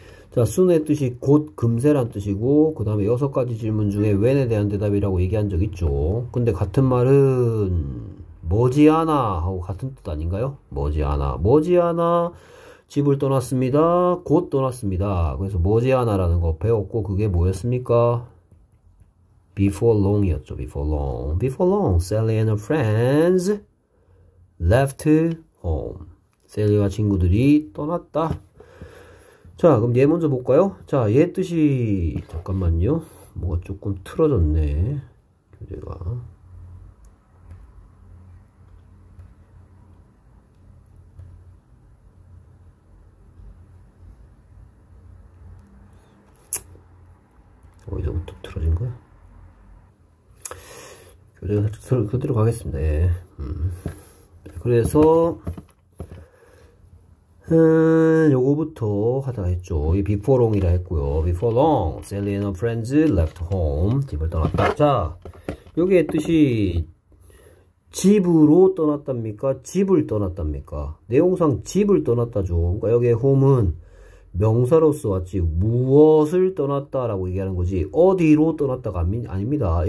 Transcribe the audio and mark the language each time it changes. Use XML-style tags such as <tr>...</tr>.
<ko>자, 순의 뜻이 곧 금세란 뜻이고, 그 다음에 여섯 가지 질문 중에 when에 대한 대답이라고 얘기한 적 있죠. 근데 같은 말은 머지않아 하고 같은 뜻 아닌가요? 머지않아, 머지않아 집을 떠났습니다. 곧 떠났습니다. 그래서 머지않아라는 거 배웠고 그게 뭐였습니까?</ko> <en>Before long이었죠. Before long. Before long, Sally and her friends left home.</en> <ko>Sally와 친구들이 떠났다. 자, 그럼 얘 먼저 볼까요? 자, 얘 뜻이 잠깐만요. 뭐가 조금 틀어졌네. 교재가. 어디서부터 틀어진 거야? 그대로 가겠습니다. 예. 그래서 요거부터 하자 했죠. 이 before long이라 했고요.</ko> <en>before long, Sally and her friends left home.</en> <ko>집을 떠났다. 자, 여기에 뜻이 집으로 떠났답니까? 집을 떠났답니까? 내용상 집을 떠났다죠. 그러니까 여기에 home은 명사로서 왔지, 무엇을 떠났다라고 얘기하는 거지, 어디로 떠났다가 아닙니다.</ko>